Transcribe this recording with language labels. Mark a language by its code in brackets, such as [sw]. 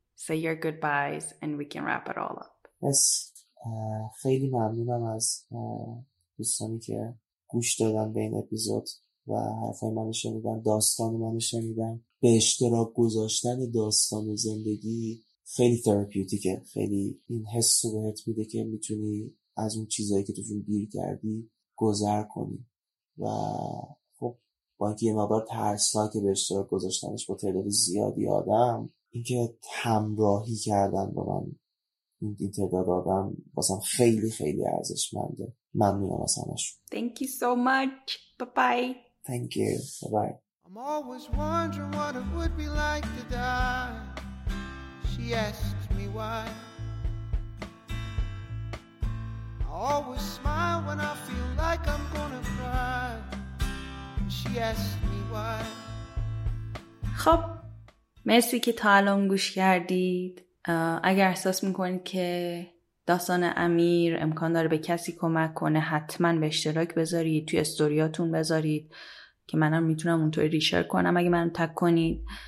[en] Say your goodbyes and we can wrap it all up. Yes. [fa] خیلی ممنونم از دوستانی که گوش دادن به این اپیزود و حرفای منو شنیدن، داستان منو شنیدن. به اشتراک گذاشتن داستان زندگی خیلی تراپیوتیکه، خیلی این حس رو بهت میده که میتونی از اون چیزایی که تو جون گیر کردی گذر کنی. و خب با اینکه یه مقدار ترسناک به اشتراک گذاشتنش با تعداد زیادی آدم، اینکه همراهی کردن با من این تعداد آدم واسم خیلی خیلی ارزشمنده. ممنونم از همشون. [en] Thank you so much. Bye-bye. Thank you. Bye-bye. I'm always wondering what it would be like to die. She asks me why. I always smile when I feel like I'm gonna cry. She asks me why. [fa] خب مرسی که تا الان گوش کردید. اگر احساس میکنید که داستان امیر امکان داره به کسی کمک کنه، حتما به اشتراک بذارید، توی استوریاتون بذارید که منم میتونم اونطوری ریشر کنم اگه منو تک کنید،